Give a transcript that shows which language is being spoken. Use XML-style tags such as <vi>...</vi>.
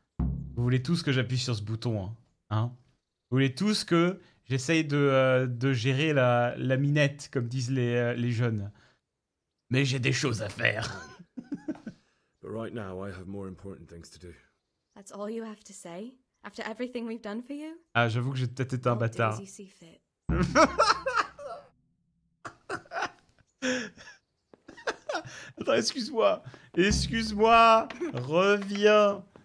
<fr>Vous voulez tous que j'appuie sur ce bouton, hein? Vous voulez tous que j'essaye de gérer la minette, comme disent les jeunes. Mais j'ai des choses à faire.</fr> <en>But right now, I have more important things to do. That's all you have to say? After everything we've done for you?</en> <fr>Ah, j'avoue que j'ai peut-être été un bâtard.</fr> <en>You see fit.</en> <fr>Attends, excuse-moi. Excuse-moi. Reviens.</fr>